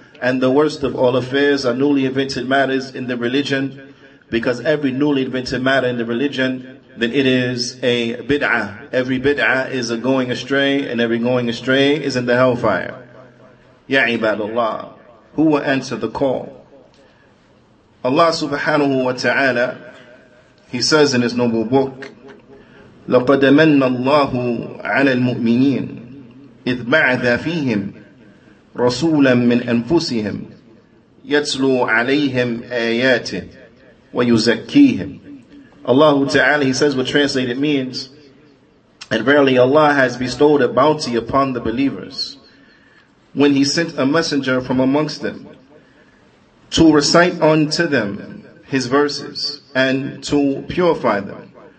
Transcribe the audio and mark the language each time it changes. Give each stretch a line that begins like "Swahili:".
English: And the worst of all affairs are newly invented matters in the religion, because every newly invented matter in the religion, then it is a bid'ah. Every bid'ah is a going astray, and every going astray is in the hellfire. Ya ibadullah, who will answer the call? Allah subhanahu wa ta'ala, He says in His noble book,
Arabic: لقد من الله على المؤمنين إذ بعث فيهم رسولا من أنفسهم يتلو عليهم آياته ويزكيهم.
English: Allah Ta'ala, He says what translated means, and verily Allah has bestowed a bounty upon the believers when He sent a messenger from amongst them to recite unto them His verses and to purify them.